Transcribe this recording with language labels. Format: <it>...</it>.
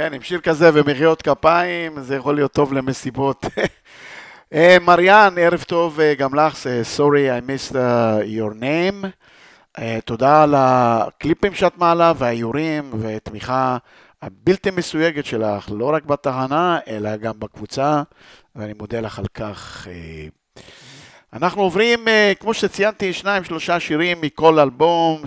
<he>שיר כזה ומחיאות כפיים, זה יכול להיות טוב למסיבות. מריאן, ערב טוב גם לך.</he> <en>Sorry, I missed your name.</en> <he>תודה על הקליפים שאת מעלה והאיורים ותמיכה הבלתי מסויגת שלך, לא רק בתחנה, אלא גם בקבוצה, ואני מודה לך על כך. אנחנו עוברים, כמו שציינתי, שניים, שלושה שירים מכל אלבום.</he>